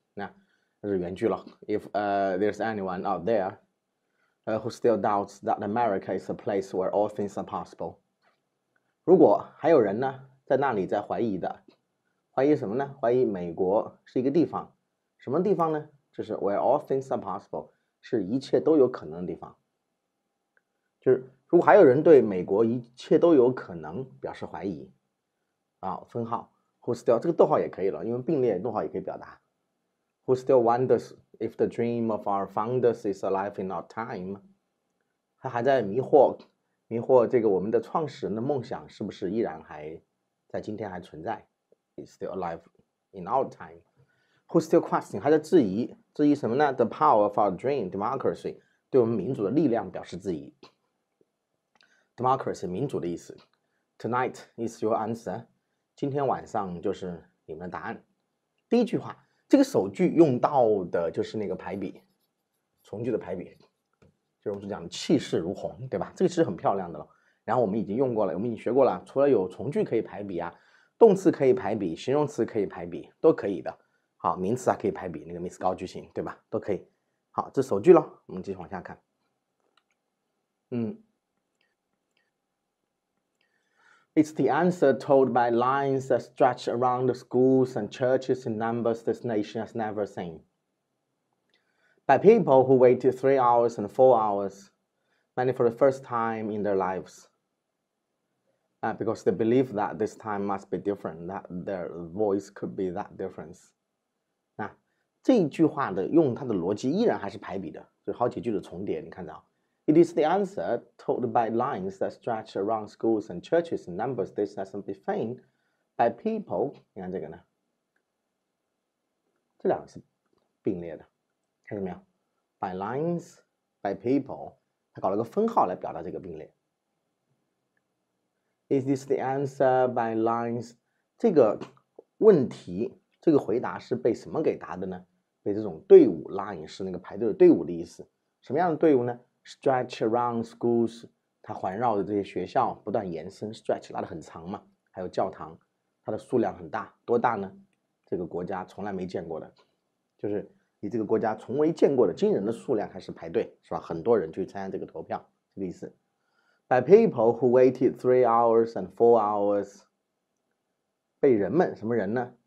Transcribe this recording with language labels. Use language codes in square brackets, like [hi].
[zh] 那是原句了。 [en] If there's anyone out there who still doubts that America is a place where all things are possible， [zh] 如果还有人呢，在那里在怀疑的，怀疑什么呢？怀疑美国是一个地方，什么地方呢？就是 [en] where all things are possible， [zh] 是一切都有可能的地方。就是如果还有人对美国一切都有可能表示怀疑。啊，分号， [en] who still [zh] 这个逗号也可以了，因为并列逗号也可以表达。 [en] Who still wonders if the dream of our founders is alive in our time？ [zh] 他还在迷惑这个我们的创始人的梦想是不是依然还在今天还存在？ [en] Is still alive in our time？ Who still question [zh] 还在质疑什么呢？ [en] The power of our dream democracy [zh] 对我们民主的力量表示质疑。 [en] Democracy [zh] 民主的意思。 [en] Tonight is your answer。 [zh] 今天晚上就是你们的答案。第一句话，这个首句用到的就是那个排比，从句的排比，就是我们讲的气势如虹，对吧？这个其实很漂亮的了。然后我们已经用过了，我们已经学过了。除了有从句可以排比啊，动词可以排比，形容词可以排比，都可以的。好，名词啊可以排比，那个名词高句型，对吧？都可以。好，这首句了，我们继续往下看。 [en] It's the answer told by lines that stretch around the schools and churches in numbers this nation has never seen. By people who waited 3 hours and 4 hours, many for the first time in their lives. Because they believe that this time must be different, that their voice could be that difference. [zh] 那这一句话的用它的逻辑依然还是排比的，就好几句的重叠，你看到。 [en] It is the answer told by lines that stretch around schools and churches and numbers this hasn't been seen by people. [zh] 你看这个呢，这两个是并列的，看见没有？ [en] By lines, by people. [zh] 他搞了个分号来表达这个并列。 [en] Is this the answer by lines? [zh] 这个问题，这个回答是被什么给答的呢？被这种队伍 line 是那个排队的队伍的意思。什么样的队伍呢？ [en] Stretch around schools， [zh] 它环绕着这些学校不断延伸 ，stretch 拉得很长嘛。还有教堂，它的数量很大，多大呢？这个国家从来没见过的，就是以这个国家从未见过的惊人的数量开始排队，是吧？很多人去参加这个投票，这个意思。 [en] By people who waited 3 hours and 4 hours， [zh] 被人们什么人呢？